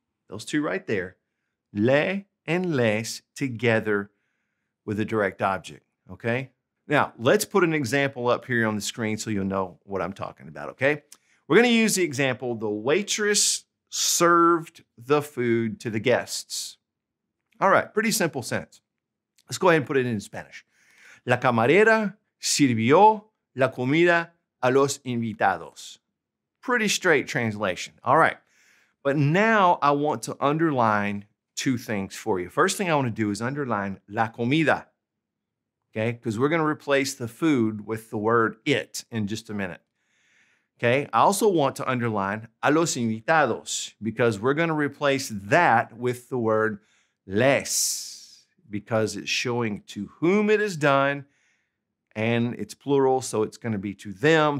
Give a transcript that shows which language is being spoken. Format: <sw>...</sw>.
<en>Those two right there, le and les together with a direct object, okay? Now, let's put an example up here on the screen so you'll know what I'm talking about, okay? We're gonna use the example, the waitress served the food to the guests. All right, pretty simple sentence. Let's go ahead and put it in Spanish.</en> <es>La camarera sirvió la comida a los invitados.</es> <en>Pretty straight translation, all right. But now I want to underline two things for you. First thing I want to do is underline la comida, okay? Because we're going to replace the food with the word it in just a minute, okay? I also want to underline a los invitados because we're going to replace that with the word les because it's showing to whom it is done and it's plural, so it's going to be to them.</en>